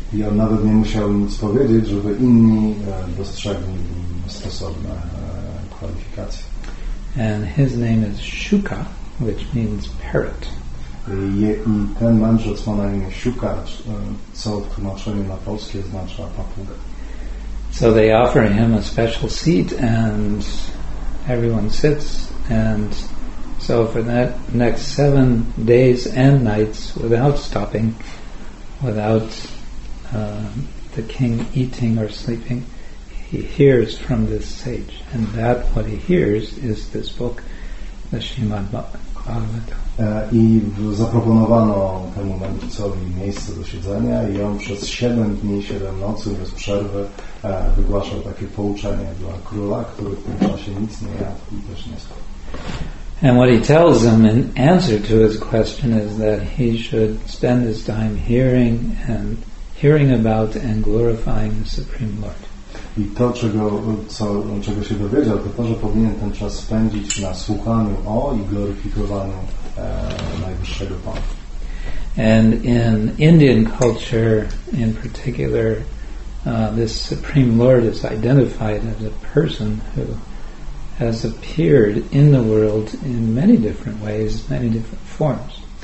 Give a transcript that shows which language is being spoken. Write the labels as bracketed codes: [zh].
[pl] Ja nawet nie musiałem nic powiedzieć, żeby inni dostrzegli stosowne kwalifikacje. [en] And his name is Shuka, which means parrot. [pl] I ten mędrzec ma na imię Shuka, co w tłumaczeniu na polskie oznacza papuga. [en] So they offer him a special seat and everyone sits, and so for that next 7 days and nights without stopping, without the king eating or sleeping, he hears from this sage, and that what he hears is this book, the Srimad Bhagavatam. [pl] I zaproponowano temu mędrcowi miejsce do siedzenia i on przez 7 dni, 7 nocy bez przerwy wygłaszał takie pouczenie dla króla, który w tym czasie nic nie jadł i też nie spał. [en] And what he tells him in answer to his question is that he should spend his time hearing about and glorifying the Supreme Lord. [pl] I to, czego się dowiedział, to, że powinien ten czas spędzić na słuchaniu o i gloryfikowaniu Najwyższego Pana. [en] And in Indian culture in particular, this Supreme Lord is identified as a person who has appeared in the world in many different ways, many different forms.